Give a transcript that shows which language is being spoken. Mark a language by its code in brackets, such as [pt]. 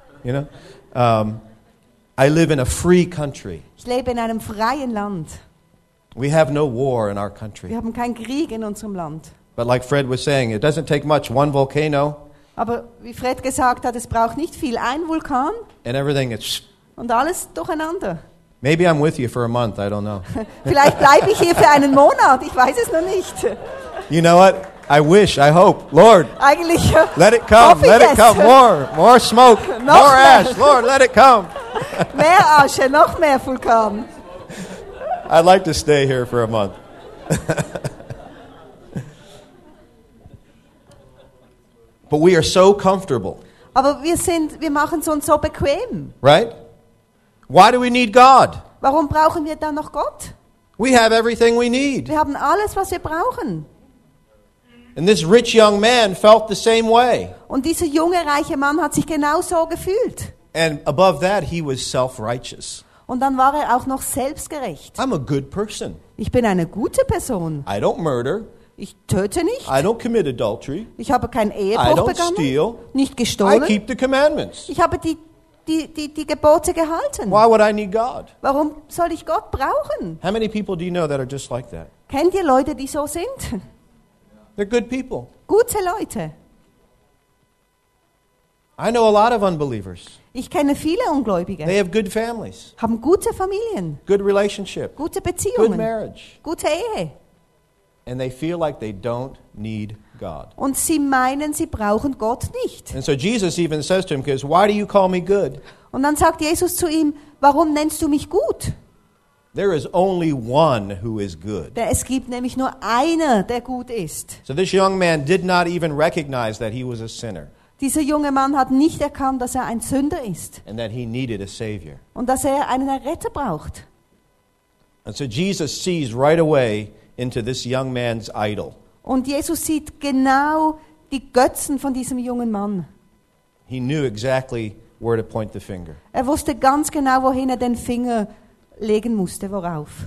[en] You know, I live in a free country. [de] Ich lebe in einem freien Land. [en] We have no war in our country. [de] Wir haben keinen Krieg in unserem Land. [en] But like Fred was saying, it doesn't take much. One volcano. [de] Aber wie Fred gesagt hat, es braucht nicht viel. Ein Vulkan. [en] And everything is. [de] Und alles durcheinander. [en] Maybe I'm with you for a month. I don't know. [de] Vielleicht bleibe ich hier für einen Monat. Ich weiß es noch nicht. [en] You know what? I wish. I hope. Lord. [de] Eigentlich. [en] Let it come. Let it come. More smoke. More ash. Lord, let it come. [de] Mehr Asche, noch mehr Vulkan. [en] I'd like to stay here for a month. But we are so comfortable. [de] Aber wir machen es uns so bequem. [en] Right? Why do we need God? [de] Warum brauchen wir dann noch Gott? [en] We have everything we need. [de] Wir haben alles, was wir brauchen. [en] And this rich young man felt the same way. [de] Und dieser junge reiche Mann hat sich genau so gefühlt. [en] And above that, he was self-righteous. [de] Und dann war er auch noch selbstgerecht. [en] I'm a good person. [de] Ich bin eine gute Person. [en] I don't murder. [de] Ich töte nicht. [en] I don't commit adultery. [de] Ich habe keinen Ehebruch begangen. [en] I don't steal. [de] Nicht gestohlen. [en] I keep the commandments. [de] Ich habe die Gebote gehalten. [en] Why would I need God? [de] Warum soll ich Gott brauchen? [en] How many people do you know that are just like that? [de] Kennt ihr Leute, die so sind? [en] They're good people. [de] Gute Leute. [en] I know a lot of unbelievers. [de] Ich kenne viele Ungläubige. [en] They have good families. [de] Haben gute Familien. [en] Good relationship. [de] Gute Beziehungen. [en] Good marriage. [de] Gute Ehe. [en] And they feel like they don't need God. [de] Und sie meinen, sie brauchen Gott nicht. [en] And so Jesus even says to him, because why do you call me good? [de] Und dann sagt Jesus zu ihm, warum nennst du mich gut? [en] There is only one who is good. [de] Es gibt nämlich nur einer, der gut ist. [en] So this young man did not even recognize that he was a sinner. [de] Dieser junge Mann hat nicht erkannt, dass er ein Sünder ist. [en] And that he needed a savior. [de] Und dass er einen Retter braucht. [en] And so Jesus sees right away into this young man's idol. [de] Und Jesus sieht genau die Götzen von diesem jungen Mann. [en] He knew exactly where to point the finger. [de] Er wusste ganz genau, wohin er den Finger legen musste, worauf.